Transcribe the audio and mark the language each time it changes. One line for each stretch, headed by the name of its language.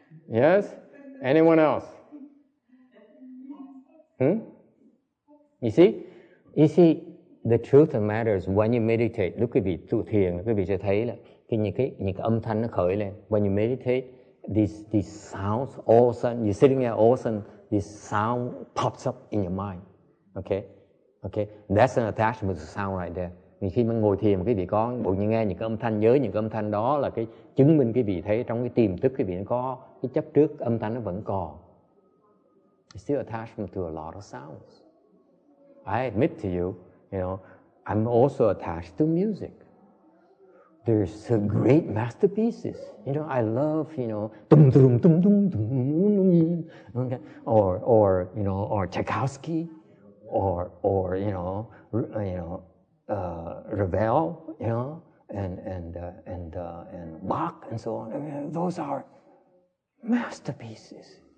English: Yes? Anyone else? You see, the truth of matter is when you meditate, look at me,
Vietnamese: tu thiền, quý vị sẽ thấy là khi những cái âm thanh nó khởi lên.
English: When you meditate, these sounds, all of a sudden, you're sitting there, all of a sudden, this sound pops up in your mind. Okay? That's an attachment to sound right there.
Vietnamese: Thì khi mà ngồi thiền, quý vị có bộ như nghe những cái âm thanh, nhớ những cái âm thanh đó là cái chứng minh quý vị thấy trong cái tiềm thức quý vị nó có cái chấp trước, âm thanh nó vẫn còn.
English: It's still attachment to a lot of sounds. I admit to you, you know, I'm also attached to music. There's some great masterpieces. You know, I love, you know, dum dum dum dum dum, or you know, or Tchaikovsky, or you know, Ravel, you know, and Bach and so on. I mean, those are masterpieces.